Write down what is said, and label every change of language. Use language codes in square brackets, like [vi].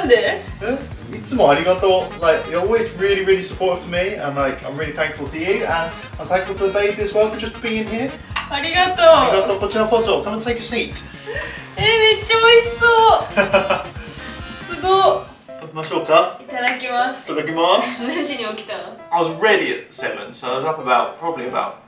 [ja] ごめんね、普通の豆腐じゃないけど、フレンチトースターよ。めっちゃ美味しそう。ありがとう。よかった。なんで?いつもありがとう。Like, [en] you're always really, really supportive of me, and like, I'm really thankful to you, and I'm thankful to the baby as well for just being here. [ja] ありがとう。ありがとう、こちらこそ。 [en] Come and take a seat. [ja] めっちゃ美味しそう。すごっ。いただきます。いただきます。何時に起きたの? [en] I was ready at 7, so I was up about, probably about